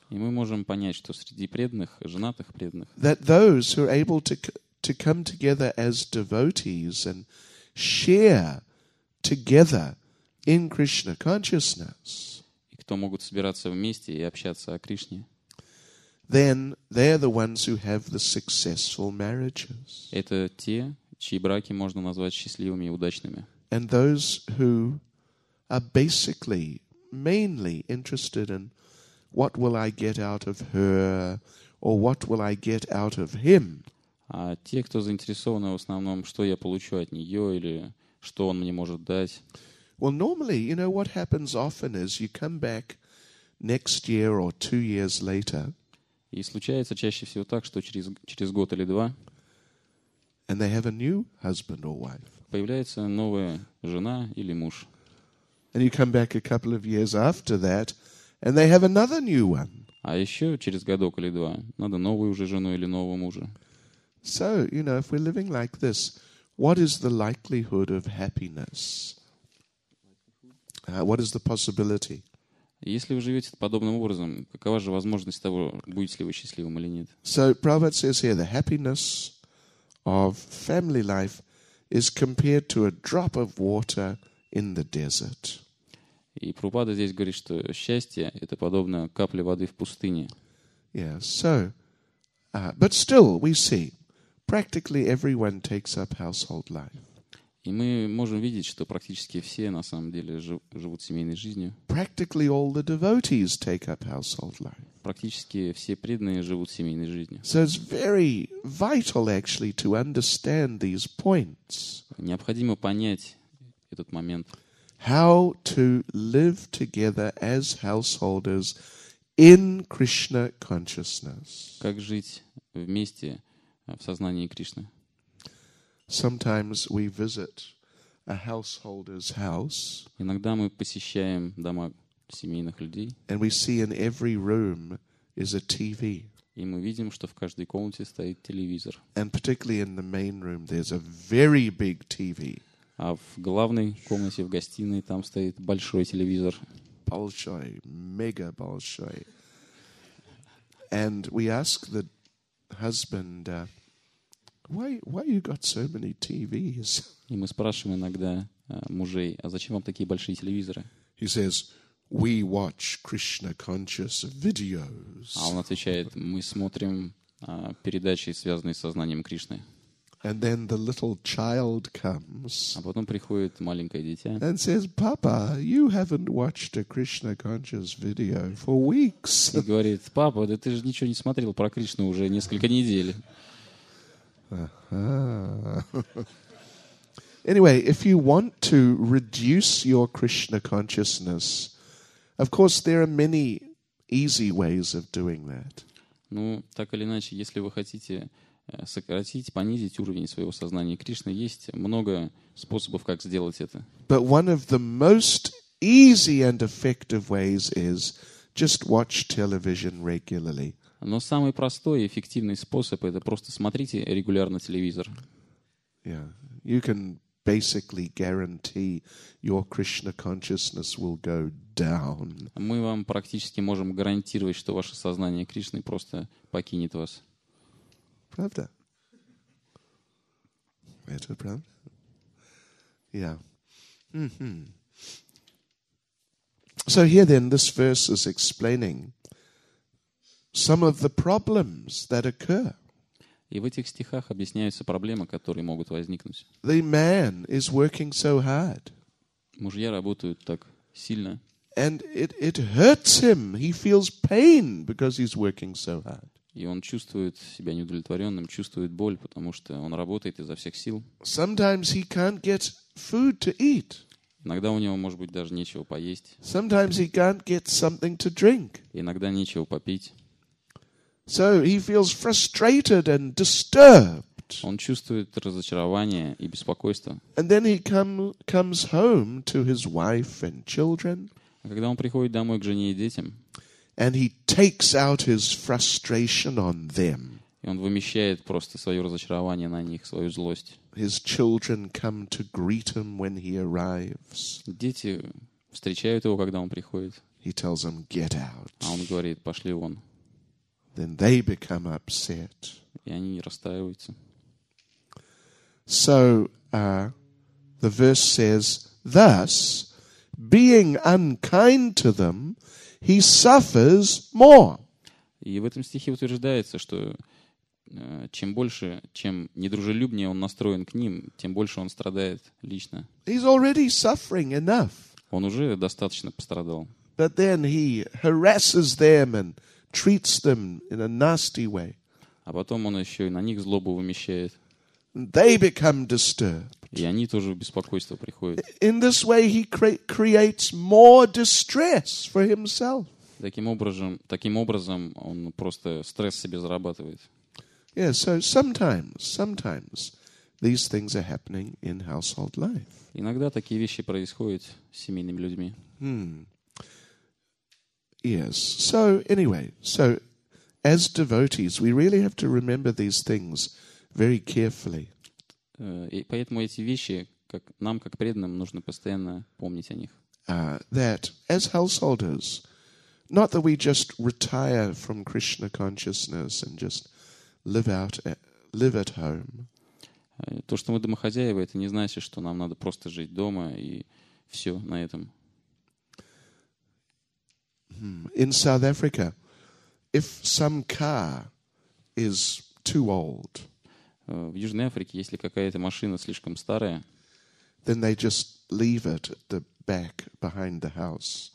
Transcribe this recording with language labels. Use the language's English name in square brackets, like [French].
[Russian] и мы можем понять, что среди преданных, женатых преданных, [English] that those who are able to come together as devotees and share together in Krishna consciousness, [Russian] и кто могут собираться вместе и общаться о Кришне, [English] then they're the ones who have the successful marriages. [Russian] Это те, чьи браки можно назвать счастливыми и удачными. [English] And those who are basically mainly interested in what will I get out of her or what will I get out of him. [Russian] А те, кто заинтересованы в основном, что я получу от нее или что он мне может дать. [English] Well, normally, you know, what happens often is you come back next year or 2 years later. [Russian] И случается чаще всего так, что через год или два. [English] And they have a new husband or wife. [Russian] Появляется новая жена или муж. [English] And you come back a couple of years after that, and they have another new one. [Russian] А еще через годок или два надо новую уже жену или нового мужа. [English] So, you know, if we're living like this, what is the likelihood of happiness? What is the possibility? [Russian] Если вы живете подобным образом, какова же возможность того, будете ли вы счастливым или нет? [English] So Prabhupada says here, the happiness of family life is compared to a drop of water in the desert. [Russian] И Прабхупада здесь говорит, что счастье это подобно капле воды в пустыне. [English] Yeah, so, but still we see practically everyone takes up household life. [Russian] И мы можем видеть, что практически все на самом деле живут семейной жизнью. [English] Practically all the devotees take up household life. [Russian] Практически все преданные живут семейной жизнью. [English] So it's very vital actually to understand these points. [Russian] Необходимо понять этот момент. [English] How to live together as householders in Krishna consciousness. [Russian] Как жить вместе в сознании Кришны? [English] Sometimes we visit a householder's house. [Russian] Иногда мы посещаем дома семейных людей. [English] And we see in every room is a TV. [Russian] И мы видим, что в каждой комнате стоит телевизор. [English] And particularly in the main room there's a very big TV. [Russian] А в главной комнате, в гостиной, там стоит большой телевизор. Большой, мега большой. [English] And we ask the husband, why you got so many TVs? [Russian] И мы спрашиваем иногда мужей, а зачем вам такие большие телевизоры? [English] He says, we watch Krishna conscious videos. [Russian] А он отвечает, мы смотрим передачи, связанные с сознанием Кришны. [English] And then the little child comes. [Russian] А потом приходит маленькое дитя. [English] And says, "Papa, you haven't watched a Krishna conscious video for weeks." [Russian] И говорит: "Папа, да ты же ничего не смотрел про Кришну уже несколько недель." [English] Anyway, if you want to reduce your Krishna consciousness, of course there are many easy ways of doing that. [Russian] Ну, так или иначе, если вы хотите сократить, понизить уровень своего сознания Кришны, есть много способов, как сделать это. [English] But one of the most easy and effective ways is just watch television regularly. [Russian] Но самый простой и эффективный способ — это просто смотрите регулярно телевизор. [English] Yeah. You can basically guarantee your Krishna consciousness will go down. [Russian] Мы вам практически можем гарантировать, что ваше сознание Кришны просто покинет вас. Правда? Это правда? [English] Yeah. Mm-hmm. So here then, this verse is explaining some of the problems that occur. [Russian] И в этих стихах объясняются проблемы, которые могут возникнуть. [English] The man is working so hard. [Russian] Мужья работают так сильно. [English] And it hurts him. He feels pain because he's working so hard. [Russian] И он чувствует себя неудовлетворенным, чувствует боль, потому что он работает изо всех сил. [English] Sometimes he can't get food to eat. [Russian] Иногда у него, может быть, даже нечего поесть. [English] Sometimes he can't get something to drink. [Russian] Иногда нечего попить. [English] So he feels frustrated and disturbed. [Russian] Он чувствует разочарование и беспокойство. [English] And then he comes home to his wife and children. [Russian] А когда он приходит домой к жене и детям, [English] and he takes out his frustration on them. [Russian] И он вымещает просто свое разочарование на них, свою злость. [English] His children come to greet him when he arrives. [Russian] Дети встречают его, когда он приходит. [English] He tells them, "Get out." [Russian] А он говорит: "Пошли вон." [English] Then they become upset. [Russian] И они расстраиваются. [English] So, the verse says, "Thus, being unkind to them, he suffers more." [Russian] И в этом стихе утверждается, что чем больше, чем недружелюбнее он настроен к ним, тем больше он страдает лично. [English] He's already suffering enough. [Russian] Он уже достаточно пострадал. [English] But then he harasses them and treats them in a nasty way. [Russian] А потом он еще и на них злобу вымещает. [English] They become disturbed. [Russian] И они тоже в беспокойство приходят. [English] In this way he creates more distress for himself. [Russian] Таким образом он просто стресс себе зарабатывает. [English] Yeah, so sometimes these things are happening in household life. [Russian] Иногда такие вещи происходят с семейными людьми. [English] Yes. So anyway, so as devotees, we really have to remember these things very carefully. [Russian] И поэтому эти вещи, как нам, как преданным, нужно постоянно помнить о них. [English] That as householders, not that we just retire from Krishna consciousness and just live at home. [Russian] То, что мы домохозяева, это не значит, что нам надо просто жить дома и все на этом. [English] In South Africa, if some car is too old, [Russian] в Южной Африке, если какая-то машина слишком старая, [English] then they just leave it at the back behind the house.